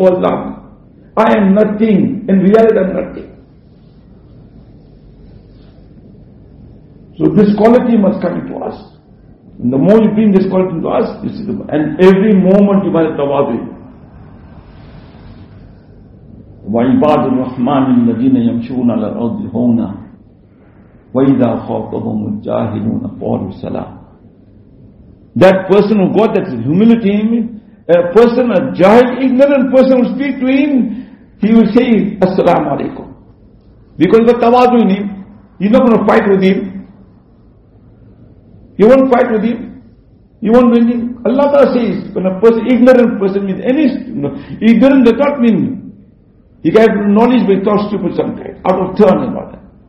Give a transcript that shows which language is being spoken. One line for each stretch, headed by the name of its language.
English: Oh Allah, I am nothing. In reality, I'm nothing. So this quality must come into us. And the more you bring this quality into us, this is the, and every moment you must have tawazu.
Arabic: وعباد الرحمن الذين يمشون على الأرض هونا وإذا خاطبهم الجاهلون قالوا سلام.
English: That person who got that humility in him, a person, a jahil, ignorant person who speak to him, he will say assalamu alaikum. Because he got tawadu in him, he's not going to fight with him. You won't fight with him. You won't win him. Allah Ta'ala says, when a person, ignorant person means any, ignorant does not mean he got knowledge but thought stupid sometimes, out of turn and all that.